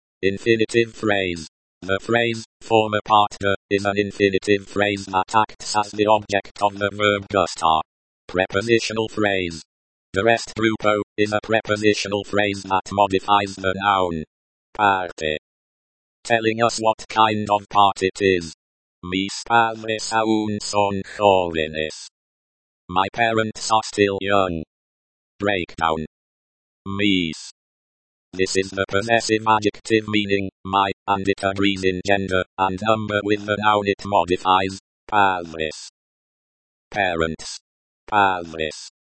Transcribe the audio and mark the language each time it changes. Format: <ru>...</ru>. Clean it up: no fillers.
<en>Infinitive phrase. The phrase,</en> <es>forma parte,</es> <en>is an infinitive phrase that acts as the object of the verb gustar. Prepositional phrase. The rest grupo is a prepositional phrase that modifies the noun. Parte. Telling us what kind of part it is.</en> <es>Mis padres aún son jóvenes.</es> <en>My parents are still young. Breakdown. Mis. This is the possessive adjective meaning, my, and it agrees in gender and number with the noun it modifies, padres. Parents. Padres.</en>